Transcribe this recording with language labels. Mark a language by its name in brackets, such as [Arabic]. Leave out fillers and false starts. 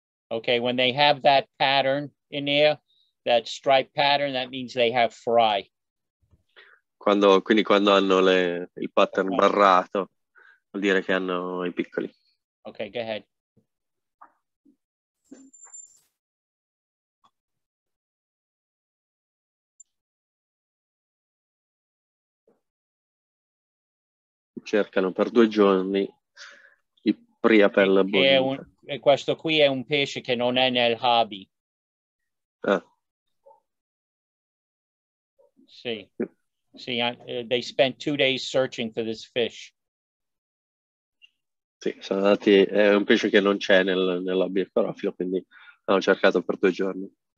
[English] Okay, when they have that pattern in there, that stripe pattern, that means they have fry. [Italian] Quando, quindi quando hanno le, il pattern barrato, vuol dire che hanno I piccoli. [English] Okay, go ahead. [Italian] Cercano per due giorni I priapel e questo qui è un pesce che non è nel hobby. Ah. Sì. [English] Sì, they spent 2 days searching for this fish. [Italian] Sì, sono andati, è un pesce che non c'è nel, nel hobby acquariofilo, quindi hanno cercato per due giorni.